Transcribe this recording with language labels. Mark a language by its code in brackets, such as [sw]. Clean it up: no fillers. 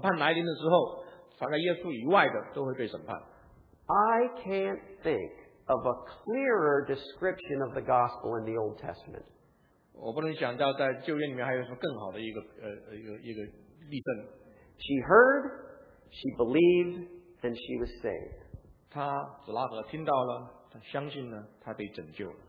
[zh] 你跟我一样，我们都在耶稣的保护之下，当审判来临的时候，凡在耶稣以外的都会被审判。 [en] I can't think of a clearer description of the gospel in the Old Testament. [zh] 我不能想到在旧约里面还有什么更好的一个例证。 [en] She heard, she believed, and she was saved. [zh] 她只拉合听到了，她相信了，她被拯救了。